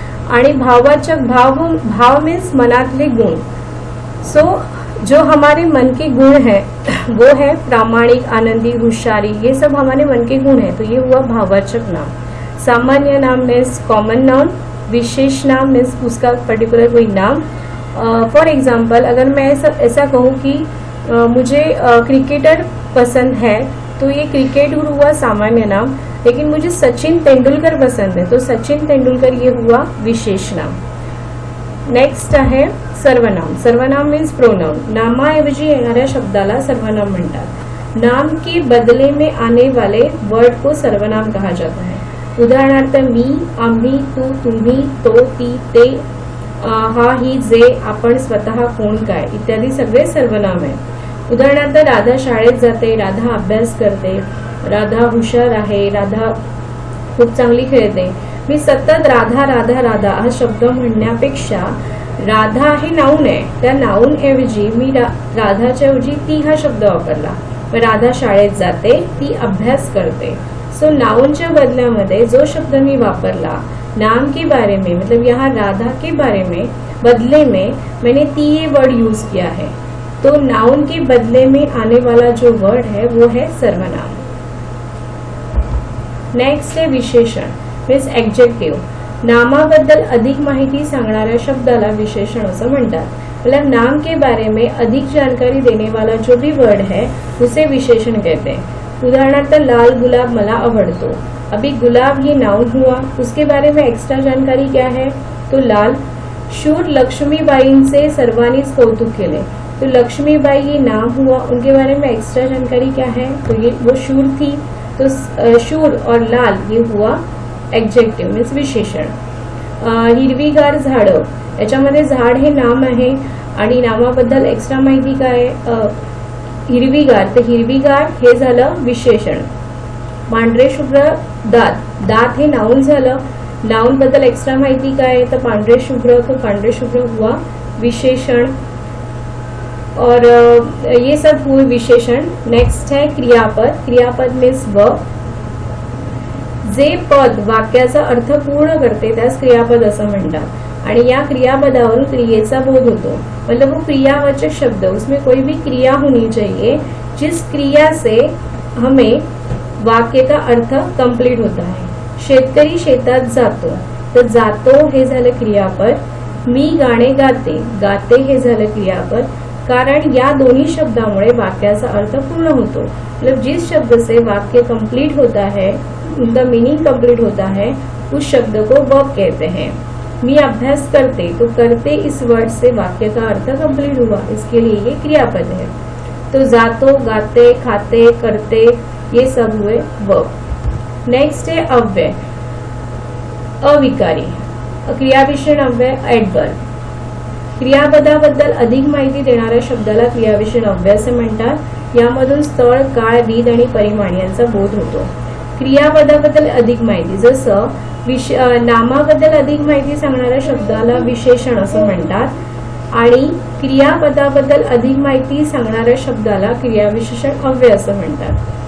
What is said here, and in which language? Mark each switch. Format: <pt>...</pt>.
<mr>आणि भाववाचक, भाव मीन्स मनातले गुण।</mr> <hi>सो जो हमारे मन के गुण है वो है प्रामाणिक, आनंदी, हुशारी, ये सब हमारे मन के गुण है, तो ये हुआ भाववाचक नाम। सामान्य नाम मीन्स कॉमन नाउन, विशेष नाम मीन्स उसका पर्टिकुलर कोई नाम। फॉर एग्जाम्पल, अगर मैं ऐसा कहूँ कि मुझे क्रिकेटर पसंद है तो ये क्रिकेट हुआ सामान्य नाम, लेकिन मुझे सचिन तेंदुलकर पसंद है तो सचिन तेंदुलकर ये हुआ विशेष नाम। नेक्स्ट है सर्वनाम। सर्वनाम मीन्स प्रोनाउन।</hi> <mr>नामाऐवजी येणाऱ्या शब्दाला सर्वनाम म्हणतात।</mr> <hi>नाम के बदले में आने वाले वर्ड को सर्वनाम कहा जाता है।</hi> <mr>उदाहरणार्थ, मी, आम्ही, तू, तुम्ही, तो, ती, ते, हा, ही, जे, आपण, स्वतः, कोण, काय इत्यादी सगळे सर्वनाम आहे। उदाहरणार्थ, राधा शाळेत जाते, राधा अभ्यास करते, राधा हुशार आहे, राधा खूप चांगली खेळते। मी सतत राधा राधा राधा हा शब्द म्हणण्यापेक्षा राधा हे नाउन आहे, त्या नाउन ऐवजी मी राधाच्या ऐवजी ती हा शब्द वापरला, राधा शाळेत जाते, ती अभ्यास करते.</mr> <hi>सो</hi> <mr>नाउनच्या बदल्यामध्ये जो शब्द मी वापरला</mr> <hi>नाम के बारे में, मतलब यहाँ राधा के बारे में, बदले में मैंने ती ये वर्ड यूज किया है, तो नाउन के बदले में आने वाला जो वर्ड है वो है सर्वनाम. नेक्स्ट है विशेषण, मीन्स एडजेक्टिव.</hi> <mr>नामाबद्दल अधिक माहिती सांगणाऱ्या शब्दाला विशेषण असं म्हणतात.</mr> <hi>मतलब नाम के बारे में अधिक जानकारी देने वाला जो भी वर्ड है उसे विशेषण कहते हैं. उदाहरणार्थ</hi> <mr>लाल गुलाब मला आवडतो,</mr> <hi>अभी गुलाब ये नाउन हुआ, उसके बारे में एक्स्ट्रा जानकारी क्या है, तो लाल.</hi> <mr>शूर लक्ष्मीबाईंचे सर्वांनीच कौतुक केले,</mr> <hi>तो लक्ष्मीबाई ये नाम हुआ, उनके बारे में एक्स्ट्रा जानकारी क्या है, तो ये वो शूर थी, तो शूर और लाल ये हुआ एडजेक्टिव, मीन्स विशेषण.</hi> <mr>हिरवीगार झाड, याच्यामध्ये झाड हे नाम आहे आणि नामाबद्दल एक्स्ट्रा माहिती काय, हिरवीगार, तर हिरवीगार हे झालं विशेषण. पांढरे शुभ्र दात, दात हे नाउन झालं, नाउन बद्दल एक्स्ट्रा माहिती काय, तर पांढरे शुभ्र,</mr> <hi>तो पांढरे शुभ्र हुआ विशेषण. और ये सब हुए विशेषण. नेक्स्ट है क्रियापद, क्रियापद मीन्स वर्ब.</hi> <mr>जे पद वाक्याचा अर्थ पूर्ण करते त्यास क्रियापद असं म्हणतात, आणि या क्रियापदावरून क्रियेचा बोध होतो.</mr> <hi>मतलब वो क्रियावाचक शब्द, उसमें कोई भी क्रिया होनी चाहिए जिस क्रिया से हमें वाक्य का अर्थ कंप्लीट होता है.</hi> <mr>शेतकरी शेतात जातो, तर जातो हे झालं क्रियापद. मी गाणे गाते, गाते हे झालं क्रियापद, कारण या दोन्ही शब्दामुळे वाक्याचा अर्थ पूर्ण होतो.</mr> <hi>मतलब जिस शब्द से वाक्य कंप्लीट होता है, उनका मीनिंग कंप्लीट होता है, उस शब्द को वर्ब कहते हैं.</hi> <mr>मी अभ्यास करते,</mr> <hi>तो करते इस वर्ड से वाक्य का अर्थ कंप्लीट हुआ, इसके लिए ये क्रियापद है. तो जातो, गाते, खाते, करते, ये सब हुए वर्ब. नेक्स्ट है अव्यय, अविकारी. क्रिया विशेषण अव्यय एडवर्ब.</hi> <mr>क्रियापदाबद्दल अधिक माहिती देणाऱ्या शब्दाला क्रियाविशेषण अव्यय असे म्हणतात. यामधून स्थळ, काळ, विध आणि परिमाण यांचा बोध होतो. क्रियापदाबद्दल अधिक माहिती, जसं नामाबद्दल अधिक माहिती सांगणाऱ्या शब्दाला विशेषण असं म्हणतात, आणि क्रियापदाबद्दल अधिक माहिती सांगणाऱ्या शब्दाला क्रियाविशेषण अव्यय असं म्हणतात.</mr>